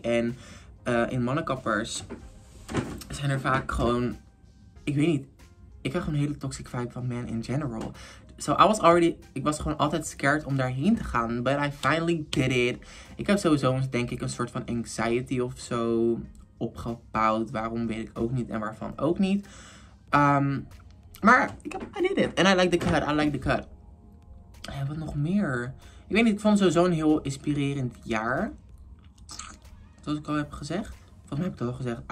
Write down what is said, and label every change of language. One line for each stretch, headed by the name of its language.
Dutch: En in mannenkappers zijn er vaak gewoon... Ik weet niet. Ik heb gewoon een hele toxic vibe van
English: men in general. So I was already...
Dutch: Ik was gewoon altijd scared om daarheen te gaan.
English: But I finally did it.
Dutch: Ik heb sowieso, denk ik, een soort van anxiety of zo opgebouwd. Waarom weet ik ook niet en waarvan ook niet.
English: Maar I did it. And I like the cut. I like the cut.
Dutch: En wat nog meer? Ik weet niet, ik vond het sowieso een heel inspirerend jaar. Zoals ik al heb gezegd. Volgens mij heb ik het al gezegd.